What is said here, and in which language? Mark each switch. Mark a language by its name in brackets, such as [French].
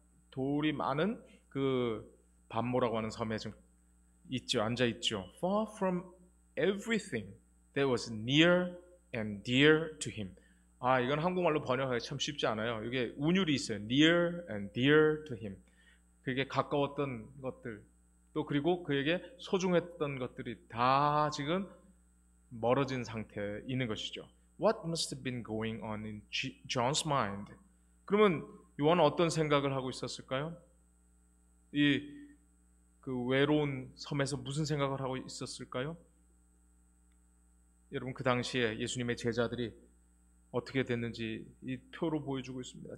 [Korean] 돌이 많은 그 반모라고 하는 섬에 좀 있죠, 앉아 있죠. [English] Far from everything that was near and dear to him. [Korean] 이건 한국말로 번역하기 참 쉽지 않아요. 이게 운율이 있어요. [English] Near and dear to him. [Korean] 그에게 가까웠던 것들, 또 그리고 그에게 소중했던 것들이 다 지금 멀어진 상태에 있는 것이죠. [English] What must have been going on in John's mind? [Korean] 그러면 요한은 어떤 생각을 하고 있었을까요? 이그 외로운 섬에서 무슨 생각을 하고 있었을까요? 여러분, 그 당시에 예수님의 제자들이 어떻게 됐는지 이 표로 보여주고 있습니다.